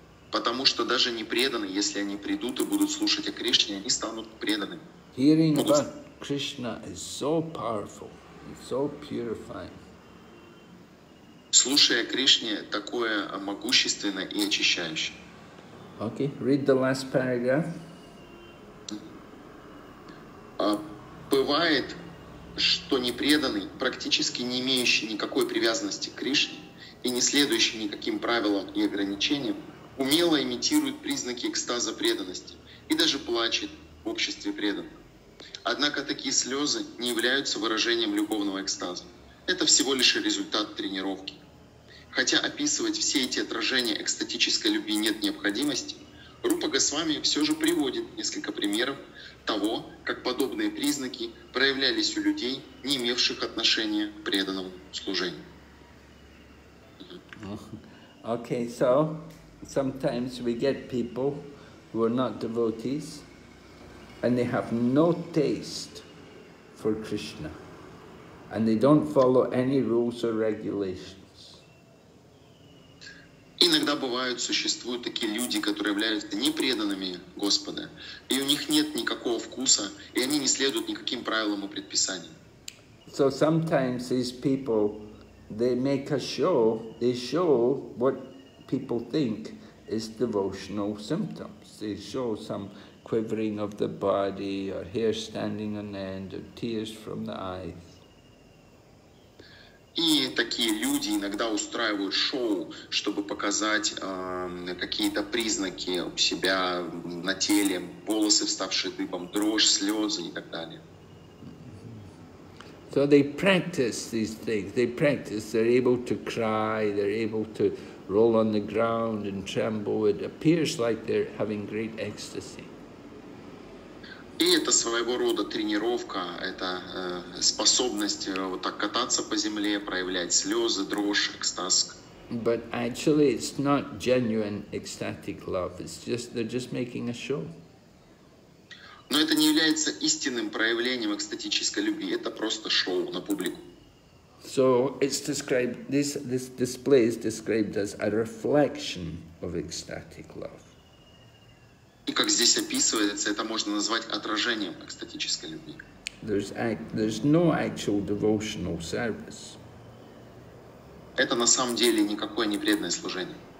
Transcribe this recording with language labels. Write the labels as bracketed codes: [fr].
[ru] Потому что даже непреданные, если они придут и будут слушать о Кришне, они станут преданными. [en] Hearing about Krishna is so powerful, so purifying. [ru] Слушая о Кришне, такое могущественное и очищающее. [en] Okay, read the last paragraph. [ru] Бывает, что непреданный, практически не имеющий никакой привязанности к Кришне и не следующий никаким правилам и ограничениям, умело имитирует признаки экстаза преданности и даже плачет в обществе преданных. Однако такие слезы не являются выражением любовного экстаза. Это всего лишь результат тренировки. Хотя описывать все эти отражения экстатической любви нет необходимости, Рупа Госвами все же приводит несколько примеров того, как подобные признаки проявлялись у людей, не имевших отношения к преданному служению. [en] Okay, so sometimes we get people who are not devotees and they have no taste for Krishna and they don't follow any rules or regulations. [ru] Иногда бывают, существуют такие люди, которые являются непреданными Господа, и у них нет никакого вкуса, и они не следуют никаким правилам и предписаниям. [en] So sometimes these people, they make a show, they show what people think is devotional symptoms. They show some quivering of the body, or hair standing on end, or tears from the eyes. [ru] И такие люди иногда устраивают шоу, чтобы показать какие-то признаки у себя на теле, волосы, вставшие дыбом, дрожь, слезы и так далее. [en] So they practice these things. They practice. They're able to cry. They're able to roll on the ground and tremble. It appears like they're having great ecstasy. [ru] И это своего рода тренировка, это способность вот так кататься по земле, проявлять слезы, дрожь, экстаз. [en] But actually it's not genuine ecstatic love, it's just, they're just making a show. [ru] Но это не является истинным проявлением экстатической любви, это просто шоу на публику. [en] So it's described, this display is described as a reflection of ecstatic love. [ru] И как здесь описывается, это можно назвать отражением экстатической любви. [en] There's no actual devotional service. [ru] Это на самом деле никакое не преданное служение.